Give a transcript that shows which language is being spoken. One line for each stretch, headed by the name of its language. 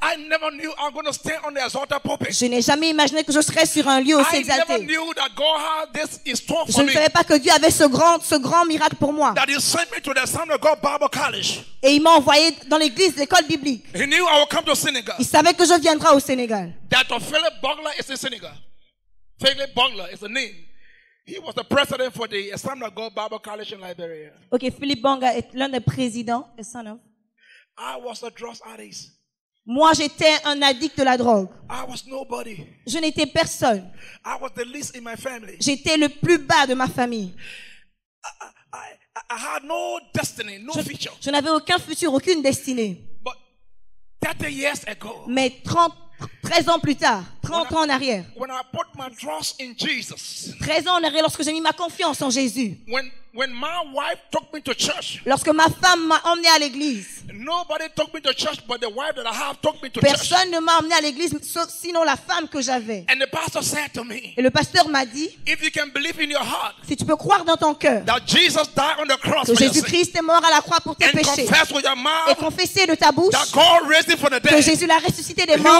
English: I never knew I'm going to stay on the exalted pulpit.
French: Je n'ai jamais imaginé que je serais sur un lieu aussi exalté.
English: I never knew that God had this in store for
French: me. Je ne savais pas que Dieu avait ce grand miracle pour moi.
English: That he sent me to the Assembly of God Bible College.
French: Et il m'a envoyé dans l'église, l'école biblique.
English: He knew I would come to Senegal.
French: Il savait que je viendrais au Sénégal.
English: That Philip Bogler is in Senegal. Philip Bogler is the name. He was the president for the Assembly of God Bible College in Liberia.
French: Okay, Philip Bonga est l'un des présidents,
English: the son of. I was a drug addict.
French: Moi, j'étais un addict de la drogue.
English: I was nobody.
French: Je n'étais personne.
English: I was the least in my family.
French: J'étais le plus bas de ma famille.
English: I had no destiny, no future.
French: Je n'avais aucun futur, aucune destinée.
English: But 30 years ago.
French: Mais 13 ans en arrière.
English: When I put my trust in Jesus,
French: 13 ans en arrière, lorsque j'ai mis ma confiance en Jésus.
English: When my wife took me to church,
French: lorsque ma femme m'a emmené à l'église.
English: Nobody took me to church, but the wife that I have took me to church.
French: Personne ne m'a emmené à l'église, sinon la femme que j'avais.
English: And the pastor said to me,
French: et le pasteur m'a dit,
English: if you can believe in your heart,
French: si tu peux croire dans ton cœur,
English: that Jesus died on the cross,
French: que Jésus-Christ est mort à la croix pour tes péchés,
English: confess with your mouth,
French: et confesser de ta bouche,
English: that God raised him from the dead,
French: que Jésus l'a ressuscité des morts,